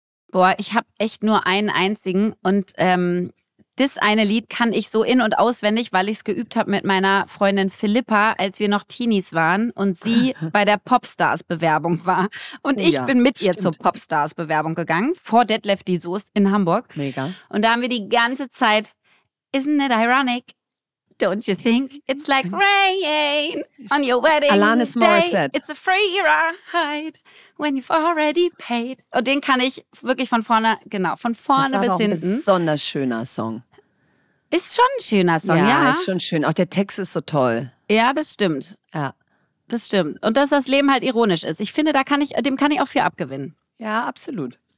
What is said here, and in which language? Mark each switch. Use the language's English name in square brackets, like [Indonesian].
[German] Boah, ich habe echt nur einen einzigen und das eine Lied kann ich so in- und auswendig, weil ich es geübt habe mit meiner Freundin Philippa, als wir noch Teenies waren und sie bei der Popstars-Bewerbung war. Und ich bin mit ihr zur Popstars-Bewerbung gegangen, vor Detlef die Soest in Hamburg. Mega. Und da haben wir die ganze Zeit, [English] isn't it ironic? Don't you think it's like rain on your wedding Alanis day? Morissette. It's a free ride when you've already paid. [German] Und den kann ich wirklich von vorne bis hinten. Das war ein besonders schöner Song. Ist schon ein schöner Song, ja. Ja, ist schon schön. Auch der Text ist so toll. Ja, das stimmt. Ja. Das stimmt. Und dass das Leben halt ironisch ist. Ich finde, dem kann ich auch viel abgewinnen. Ja, absolut.